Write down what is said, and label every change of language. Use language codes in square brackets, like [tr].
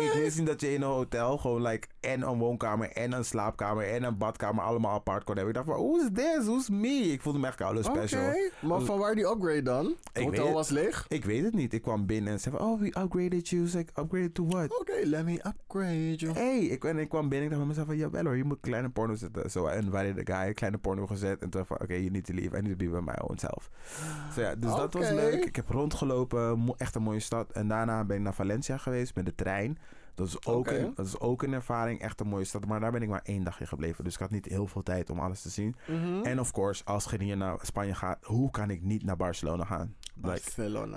[nl] Ik wist niet dat je in een hotel gewoon like en een woonkamer en een slaapkamer en een badkamer allemaal apart kon hebben. Ik dacht van, [en] who's this? Who's me? [nl] Ik voelde me echt koud special. Oké, maar van waar die upgrade dan? Hotel was leeg? Ik weet het niet. Ik kwam binnen en zei van, [en] oh, we upgraded you. Like, upgraded to what? Oké, let me upgrade you. [nl] Hey, ik kwam binnen en dacht van mezelf van, jawel hoor, je moet kleine porno zetten. [en] So, I invited the guy, [nl] kleine porno gezet. En toen dacht van, oké, [en] you need to leave. I need to be with my own self. So, yeah, [nl] dus dat was leuk. Ik heb rondgelopen. Echt een mooie stad. En daarna ben ik naar Valencia geweest met de trein. Dat is ook een ervaring. Echt een mooie stad. Maar daar ben ik maar één dagje gebleven. Dus ik had niet heel veel tijd om alles te zien. Mm-hmm. En of course, als je hier naar Spanje gaat, hoe kan ik niet naar Barcelona gaan? Barcelona.